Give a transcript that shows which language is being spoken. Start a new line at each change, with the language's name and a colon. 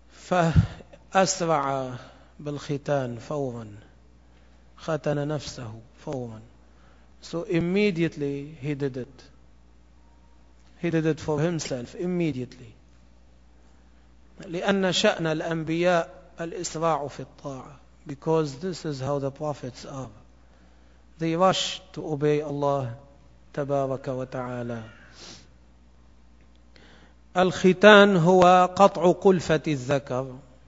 Arabic: فأسرع بالختان فورا ختن نفسه فورا.
English: So immediately he did it for himself immediately.
Arabic: لأن شأن الأنبياء الإسراع في الطاعة,
English: because this is how the prophets are, they rush to obey Allah
Arabic: تبارك وتعالى. الختان هو قطع قلفة الذكر.